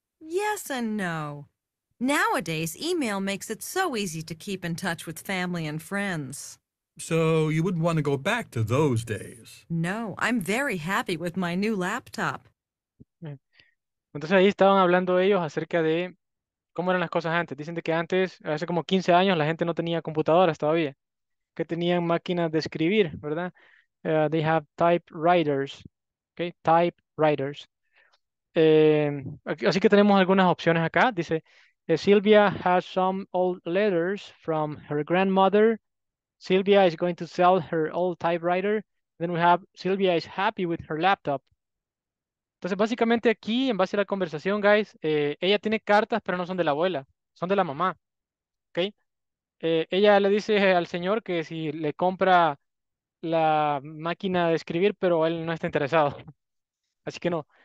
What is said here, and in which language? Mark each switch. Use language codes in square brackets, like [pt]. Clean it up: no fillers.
[en] Yes and no. Nowadays, email makes it so easy to keep in touch with family and friends. So you wouldn't want to go back to those days? No, I'm very happy with my new laptop. [es] Entonces ahí estaban hablando ellos acerca de ¿Cómo eran las cosas antes? Dicen de que antes, hace como 15 años, la gente no tenía computadoras todavía. Que tenían máquinas de escribir, ¿verdad? [en] They have typewriters. [es] Okay, typewriters. Así que tenemos algunas opciones acá. [en] Dice, Sylvia has some old letters from her grandmother. Sylvia is going to sell her old typewriter. Then we have, Sylvia is happy with her laptop. [es] Entonces, básicamente aquí, en base a la conversación, guys, ella tiene cartas, pero no son de la abuela. Son de la mamá. Okay. Ella le dice al señor que si le compra la máquina de escribir, pero él no está interesado. Así que no.